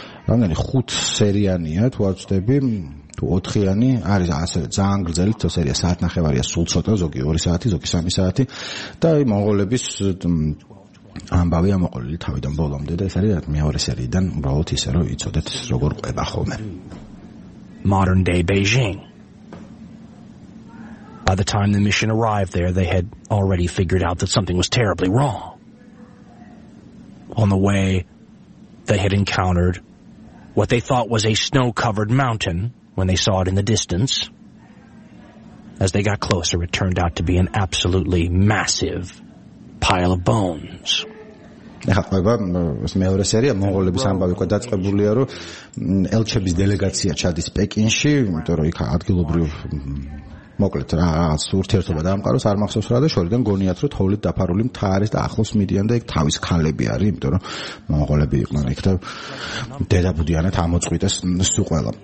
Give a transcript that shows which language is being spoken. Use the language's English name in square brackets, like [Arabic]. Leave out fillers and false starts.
[Georgian] რამდენი 5 სერიანია თუ არ ვცდები, თუ 4-იანი არის, ასე ძალიან გრძელი თო სერია, საათნახევარია სულ ცოტა, ზოგი 2 საათი, ზოგი 3 საათი, და აი მონღოლების ამბავი ამოყოლილი თავიდან ბოლომდე და ეს არის რა მეორე სერიიდან უბრალოდ ისე რომ იცოდეთ როგორ ყვება ხოლმე. [English] Modern day Beijing. By the time the mission arrived there, they had already figured out that something was terribly wrong. On the way, they had encountered what they thought was a snow-covered mountain when they saw it in the distance. As they got closer, it turned out to be an absolutely massive pile of bones. [Georgian] ეხა ყובה ეს მეორე სერია, მონღოლების ამბავი ყო დაწყებულია, რომ ელჩების დელეგაცია ჩადის პეკინში, იმიტომ რომ იქ ადგილობრივ მოკლედ რა ურთიერთობა დაამყაროს, არ მახსოვს რა და შორიდან გონიათ რომ თოვლით დაფარული მთა არის და ახლოს მიდიან და იქ თავის ქალები არის, იმიტომ რომ მონღოლები იყვნენ იქ და დედაბუდიანად ამოწყვიტეს სიყველა.